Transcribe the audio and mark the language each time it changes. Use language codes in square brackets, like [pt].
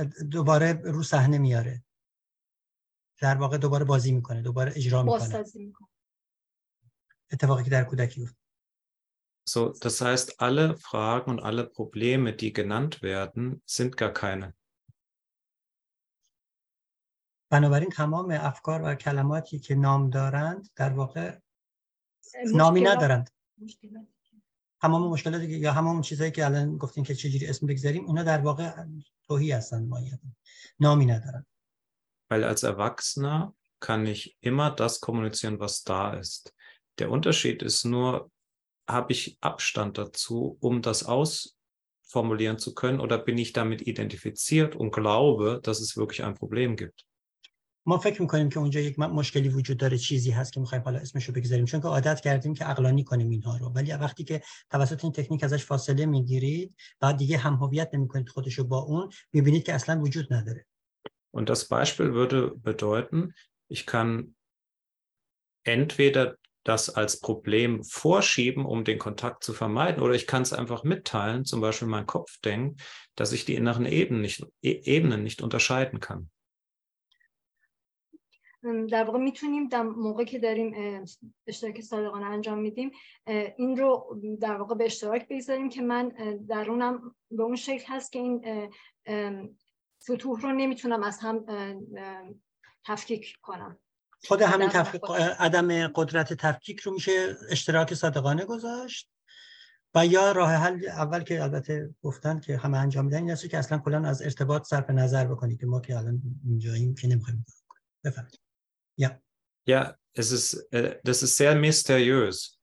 [fa] دوباره رو صحنه میاره، در واقع دوباره بازی میکنه، دوباره اجرا میکنه، بازسازی میکنه اتفاقی که در کودکی بود. [de] So, das heißt, alle Fragen und alle Probleme, die genannt werden, sind gar keine. [fa] بنابراین تمام افکار و کلماتی که نام دارند در واقع نامی ندارند. تمام مشکلاتی که یا همه اون چیزایی که الان گفتین که چجوری اسم بگذاریم، اونا در واقع توهی هستند، ماهیت نامی ندارند. [de] Weil als Erwachsener kann ich immer das kommunizieren, was da ist. Der Unterschied ist nur, habe ich Abstand dazu, um das ausformulieren zu können, oder bin ich damit identifiziert und glaube, dass es wirklich ein Problem gibt. [fa] ما فکر میکنیم که اونجا یک مشکلی وجود داره، چیزی هست که میخوایم حالا اسمش رو بگذاریم، چون که عادت کردیم که عقلانی کنیم اینها رو. ولی وقتی که توسط این تکنیک ازش فاصله میگیرید، بعد دیگه هم هویت نمیکنید خودش رو با اون، میبینید که اصلا وجود نداره. Und das Beispiel würde bedeuten, ich kann entweder das als Problem vorschieben, um den Kontakt zu vermeiden, oder ich kann es einfach mitteilen, zum Beispiel mein Kopf denkt, dass ich die inneren Ebenen nicht unterscheiden kann. در واقع میتونیم در موقعی که داریم اشتراک صادقانه انجام میدیم این رو در واقع به اشتراک بگذاریم که من درونم به اون شکل هست که این سطوح رو نمیتونم از هم تفکیک کنم. خود همین عدم قدرت تفکیک رو میشه اشتراک صادقانه گذاشت، و یا راه حل اول که البته گفتن که همه انجام میدن این است که اصلا کلا از ارتباط صرف نظر بکنید که ما که الان اینجاییم که نمیخوایم. [de] Ja. Ja, es ist das ist sehr mysteriös.